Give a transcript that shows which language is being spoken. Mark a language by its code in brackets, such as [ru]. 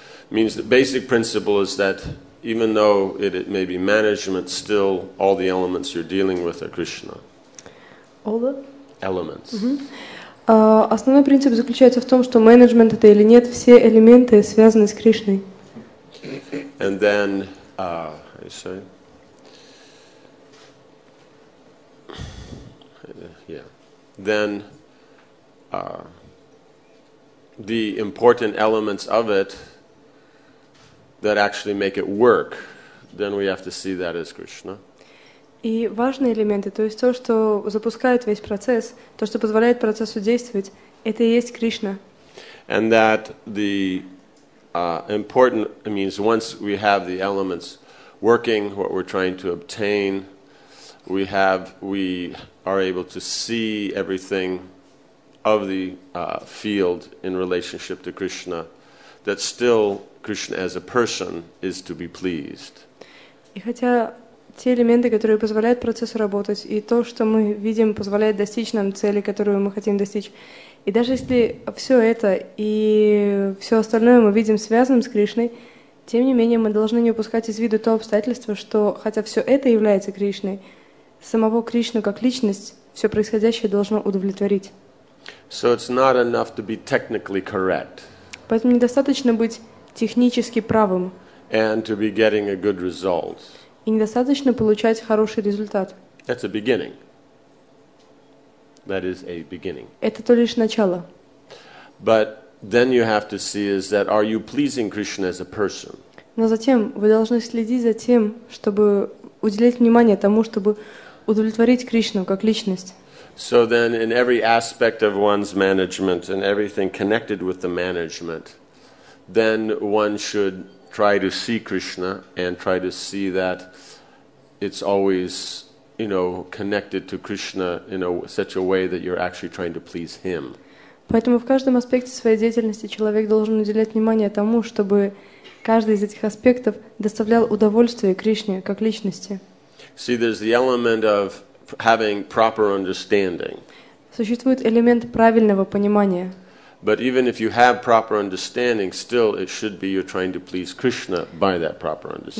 [en] Means the basic principle is that even though it may be management, still all the elements you're dealing with are Krishna. All the elements. [ru] Основной принцип заключается в том, что менеджмент это или нет, все элементы связаны с Кришной. [en] And then, how you say? Yeah. Then the important elements of it that actually make it work, then we have to see that as Krishna. [ru] И важные элементы, то есть то, что запускает весь процесс, то, что позволяет процессу действовать, это и есть Кришна. [en] And that the important means once we have the elements working, what we're trying to obtain, we are able to see everything of the field in relationship to Krishna, that still Krishna as a person is to be pleased. [ru] И хотя те элементы, которые позволяют процессу работать, и то, что мы видим, позволяет достичь нам цели, которую мы хотим достичь. И даже если все это и все остальное мы видим связанным с Кришной, тем не менее мы должны не упускать из виду то обстоятельство, что хотя все это является Кришной, самого Кришну как личность все происходящее должно удовлетворить. [en] So it's not enough to be technically correct. [ru] Поэтому недостаточно быть технически правым. [en] And to be getting a good result. [ru] И недостаточно получать хороший результат. [en] That's a beginning. That is a beginning. [ru] Это то лишь начало. [en] But then you have to see is that are you pleasing Krishna as a person? [ru] Но затем вы должны следить за тем, чтобы уделять внимание тому, чтобы удовлетворить Кришну как личность. [en] So then in every aspect of one's management and everything connected with the management, then one should try to see Krishna and try to see that it's always, you know, connected to Krishna in such a way that you're actually trying to please Him. [ru] Поэтому в каждом аспекте своей деятельности человек должен уделять внимание тому, чтобы каждый из этих аспектов доставлял удовольствие Кришне как личности. [en] See, there's the element of having proper understanding. [ru] Существует элемент правильного понимания. [en] But even if you have proper understanding, still it should be you're trying to please Krishna by that proper understanding.